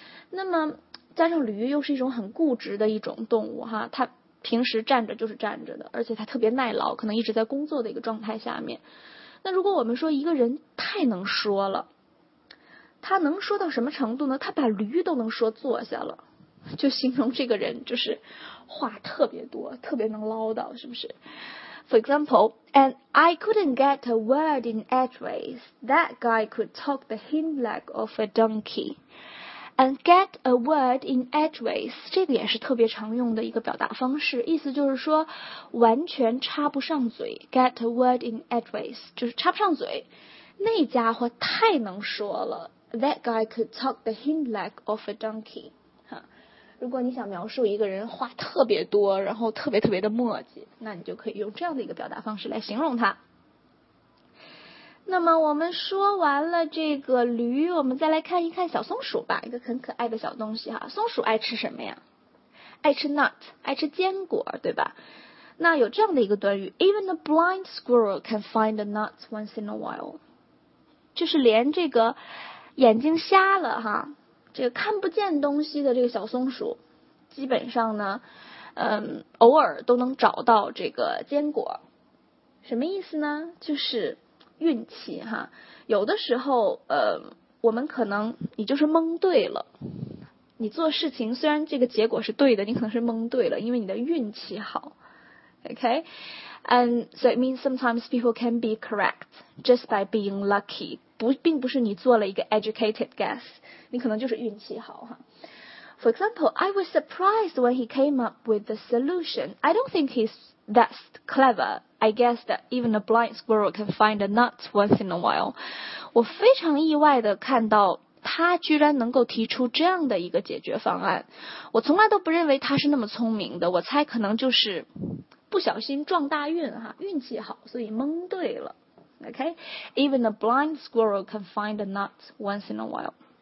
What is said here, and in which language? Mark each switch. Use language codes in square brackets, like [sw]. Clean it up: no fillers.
[zh] 那么加上驴又是一种很固执的一种动物哈，它平时站着就是站着的，而且它特别耐劳，可能一直在工作的一个状态下面。那如果我们说一个人太能说了，他能说到什么程度呢？他把驴都能说坐下了，就形容这个人就是话特别多，特别能唠叨，是不是？ [en] For example， And I couldn't get a word in edgeways， That guy could talk the hind leg of a donkey。 [zh] And get a word in edgeways，这个也是特别常用的一个表达方式，意思就是说完全插不上嘴。 Get a word in edgeways 就是插不上嘴，那家伙太能说了。 [en] That guy could talk the hind leg of a donkey。 [zh] 如果你想描述一个人话特别多，然后特别特别的磨叽，那你就可以用这样的一个表达方式来形容他。那么我们说完了这个驴，我们再来看一看小松鼠吧，一个很可爱的小东西哈。松鼠爱吃什么呀？爱吃 nut， 爱吃坚果，对吧？那有这样的一个短语 ， Even a blind squirrel can find a nut once in a while，就是连这个眼睛瞎了哈，这个看不见东西的这个小松鼠，基本上呢，偶尔都能找到这个坚果。什么意思呢？就是运气哈，有的时候我们可能你就是蒙对了，你做事情虽然这个结果是对的，你可能是蒙对了，因为你的运气好。 [en] OK， and so it means sometimes people can be correct just by being lucky，并不是你做了一个 educated guess，你可能就是运气好哈。 For example， I was surprised when he came up with the solution， I don't think he'sThat's clever. I guess that even a blind squirrel can find a nut once in a while. [zh] 我非常意外地看到他居然能够提出这样的一个解决方案。我从来都不认为他是那么聪明的，我猜可能就是不小心撞大运哈，运气好，所以蒙对了。 OK， even a blind squirrel can find a nut once in a while。